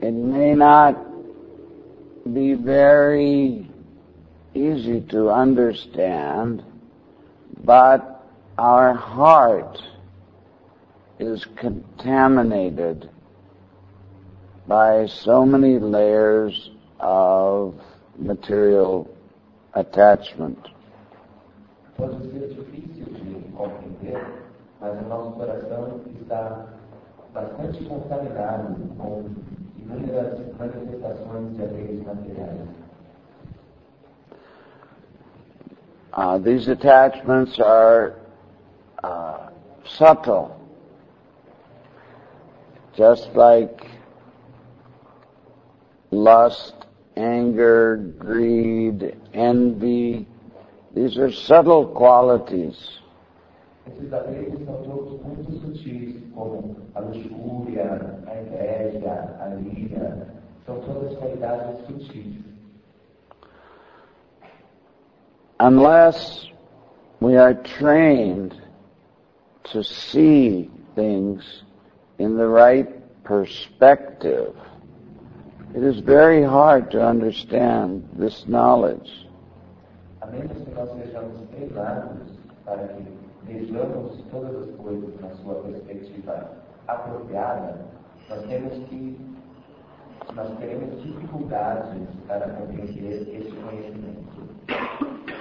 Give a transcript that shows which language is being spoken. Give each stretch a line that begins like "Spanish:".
English: It may not be very easy to understand, but our heart is contaminated by so many layers of material attachment.
Portuguese: Pode ser difícil de compreender, mas o nosso coração está bastante contaminado com inúmeras manifestações de apegos materiais.
English: These attachments are subtle, just like lust, anger, greed, envy. These are subtle qualities.
Portuguese: Esses apegos são todos muito sutis, como a luxúria, a inveja, a ira. São todas qualidades sutis.
English: Unless we are trained to see things in the right perspective, it is very hard to understand this knowledge.
Portuguese: A menos que nós sejamos treinados para que vejamos todas as coisas na sua perspectiva apropriada, nós teremos dificuldades para compreender esse conhecimento.